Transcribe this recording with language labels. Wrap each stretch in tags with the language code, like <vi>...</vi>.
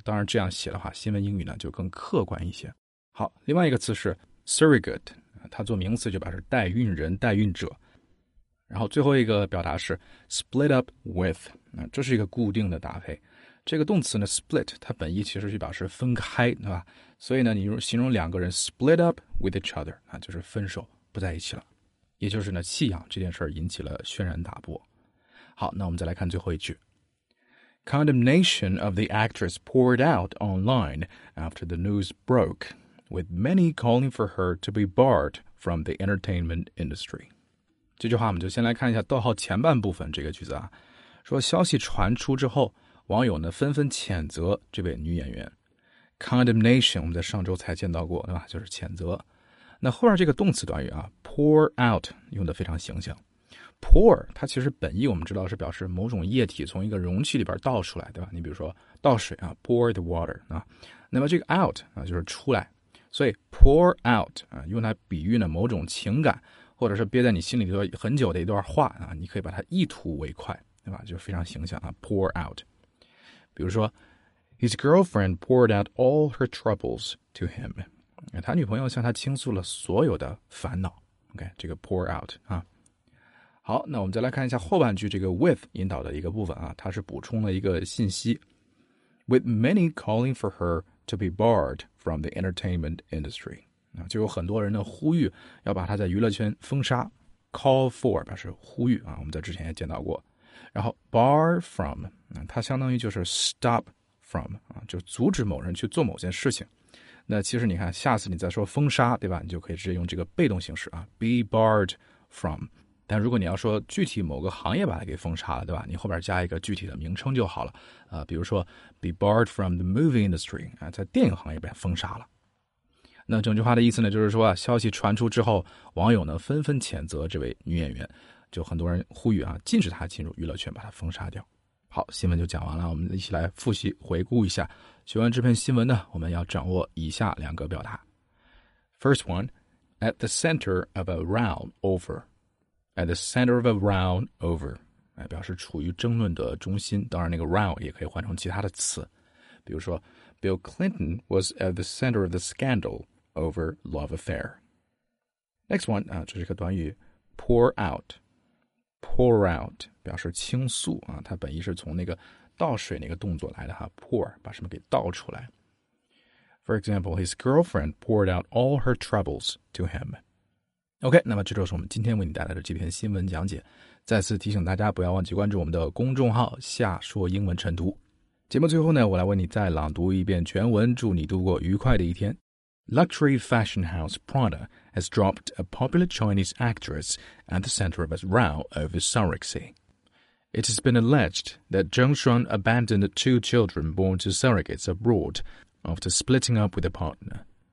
<zh>当然这样写的话，新闻英语呢就更客观一些。好，另外一个词是 surrogate。它做名词就表示代孕人、代孕者。然后最后一个表达是 split up with， 这是一个固定的搭配。这个动词呢 split， 它本意其实就表示分开，对吧？所以呢，你形容两个人</zh> <en>split up with each other，</en> <zh>就是分手不在一起了，也就是呢弃养这件事引起了轩然大波。好，那我们再来看最后一句。</zh> <en>Condemnation of the actress poured out online after the news broke. With many calling for her to be barred from the entertainment industry.</en> <zh>这句话我们就先来看一下逗号前半部分这个句子啊。说消息传出之后，网友呢纷纷谴责这位女演员。 Condemnation 我们在上周才见到过，对吧？就是谴责。那后面这个动词短语啊 ,pour out, 用得非常形象。 Pour, 它其实本意我们知道是表示某种液体从一个容器里边倒出来，对吧？你比如说倒水啊 ,</zh> <en>pour the water,</en> <zh>啊。那么这个 out, 啊就是出来。所以 pour out 用来比喻呢某种情感，或者是憋在你心里头很久的一段话啊，你可以把它一吐为快，对吧？就非常形象啊 ，pour out。比如说 ，</zh> <en>his girlfriend poured out all her troubles to him，</en> <zh>他女朋友向他倾诉了所有的烦恼。 OK， 这个 pour out 啊。好，那我们再来看一下后半句这个 with 引导的一个部分啊，它是补充了一个信息 ，</zh> <en>with many calling for her。 To be barred from the entertainment industry.</en> <zh>就有很多人呢呼吁要把他在娱乐圈封杀。Call for, 表示呼吁啊，我们在之前也见到过。然后 bar from, 它相当于就是 stop from, 就阻止某人去做某件事情。那其实你看下次你再说封杀，对吧，你就可以直接用这个被动形式啊 ,be barred from。但如果你要说具体某个行业把它给封杀了，对吧？你后边加一个具体的名称就好了。比如说 ，</zh> <en>be barred from the movie industry</en> <zh>啊，在电影行业被封杀了。那整句话的意思呢，就是说啊，消息传出之后，网友呢纷纷谴责这位女演员，就很多人呼吁啊，禁止她进入娱乐圈，把她封杀掉。好，新闻就讲完了，我们一起来复习回顾一下。学完这篇新闻呢，我们要掌握以下两个表达。</zh> <en>First one, at the center of a row over. At the center of a row over，</en> <zh>表示处于争论的中心。当然，那个 row 也可以换成其他的词，比如说</zh> <en>，Bill Clinton was at the center of the scandal over love affair。 Next one</en> <zh>这是一个短语</zh> <en>，pour out。</en> <zh>pour out 表示倾诉啊，它本意是从那个倒水那个动作来的哈 ，pour 把什么给倒出来。</zh> <en>For example, his girlfriend poured out all her troubles to him。</en> <zh>OK， 那么这就是我们今天为你带来的这篇新闻讲解。再次提醒大家，不要忘记关注我们的公众号“夏说英文晨读”。节目最后呢，我来为你再朗读一遍全文，祝你度过愉快的一天。</zh> <en>Luxury fashion house Prada has dropped a popular Chinese actress at the center of a row over surrogacy. It has been alleged that Zheng Shuang abandoned two children born to surrogates abroad after splitting up with a partner.</en>